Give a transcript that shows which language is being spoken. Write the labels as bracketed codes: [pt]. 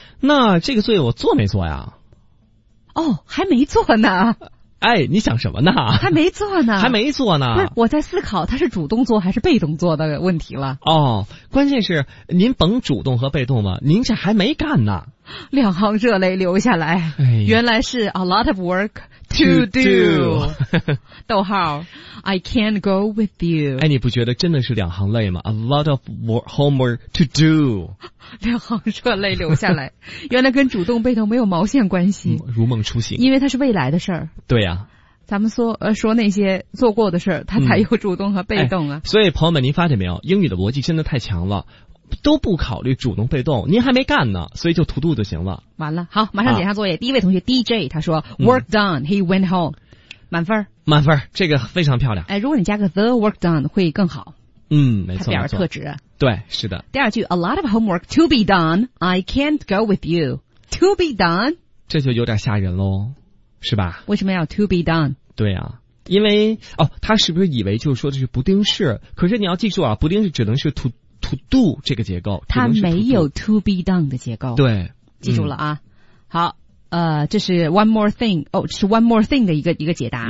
[zh] 那这个作业我做没做呀？哦，还没做呢。哎，你想什么呢？还没做呢。还没做呢。我在思考它是主动做还是被动做的问题了。哦，关键是您甭主动和被动了，您这还没干呢。两行热泪流下来、哎、原来是 [en] a lot of work to do [zh] 逗号 [en] I can't go with you。 [zh] 哎，你不觉得真的是两行泪吗？ [en] A lot of homework to do [zh] 两行热泪流下来原来跟主动被动没有毛线关系，如梦初醒，因为它是未来的事儿。对呀、啊，咱们说那些做过的事儿，它才有主动和被动啊、哎、所以朋友们您发现没有，英语的逻辑真的太强了，都不考虑主动被动，您还没干呢，所以就to do就行了。完了，好，马上检查作业、啊、第一位同学 DJ 他说、 [en] work done, he went home, [zh] 满分。满分，这个非常漂亮。如果你加个 [en] the work done [zh] 会更好。嗯，没错，他表示特质。对，是的。第二句 [en] a lot of homework to be done, I can't go with you, to be done, [zh] 这就有点吓人咯，是吧？为什么要 [en] to be done? [zh] 对啊，因为哦，他是不是以为就是说这是不定式，可是你要记住啊，不定式只能是 to do 这个结构，它没有 to be done 的结构。对，记住了啊。嗯、好，这是 [en] one more thing， [zh] 哦，这是 one more thing 的一个解答。